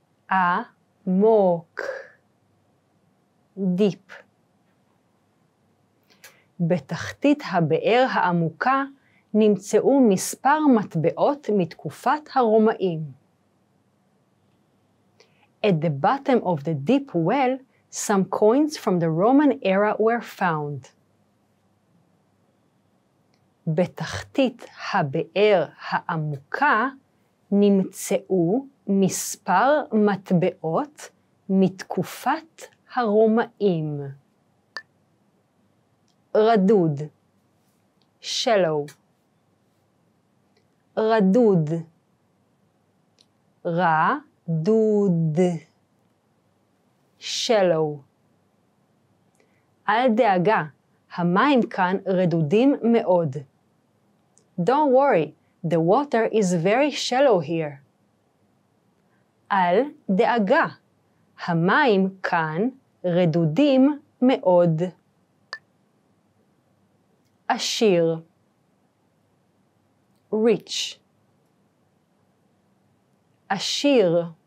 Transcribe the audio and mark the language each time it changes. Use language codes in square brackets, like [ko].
[he] עמוק. Deep. בתחתית הבאר העמוקה נמצאו מספר מטבעות מתקופת הרומאים. [en] At the bottom of the deep well, some coins from the Roman era were found. [he] בתחתית הבאר העמוקה נמצאו מספר מטבעות מתקופת הרומאים. רדוד. Shallow. רדוד. רדוד. Shallow. אל דאגה, המים כאן רדודים מאוד. [en] Don't worry, the water is very shallow here. [he] אל דאגה, המים כאן רדודים מאוד. עשיר. [en] Rich. [he] עשיר.